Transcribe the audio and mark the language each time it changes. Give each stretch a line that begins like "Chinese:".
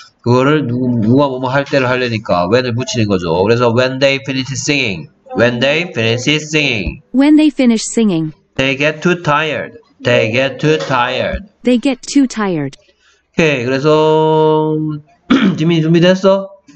Korean: 그거를 누가 뭐뭐 할 때를 하려니까 when을 붙이는 거죠. 그래서
English: when they finish singing, when they finish singing, when they finish singing, they get too tired, they get too tired, they get too tired.
Korean: 오케이, 그래서 지민이 준비됐어?